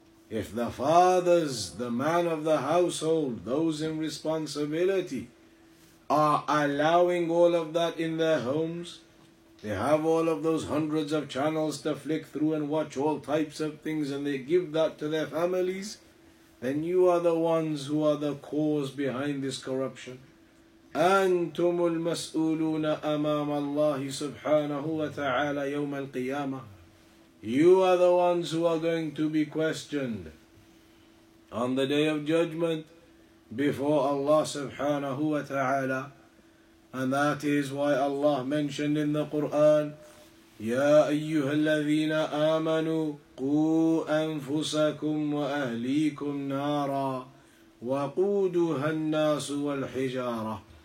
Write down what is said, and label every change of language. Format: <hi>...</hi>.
<en>If the fathers, the man of the household, those in responsibility, are allowing all of that in their homes, they have all of those hundreds of channels to flick through and watch all types of things, and they give that to their families, then you are the ones who are the cause behind this corruption.</en> <ar>أنتم المسؤولون أمام الله سبحانه وتعالى يوم القيامة.</ar> <en>You are the ones who are going to be questioned on the Day of Judgment before Allah subhanahu wa ta'ala. And that is why Allah mentioned in the Quran,</en> <ar>يَا أَيُّهَا الَّذِينَ آمَنُوا قُوا أَنفُسَكُمْ وَأَهْلِيكُمْ نَارًا وَقُودُهَا النَّاسُ وَالْحِجَارَةُ.</ar>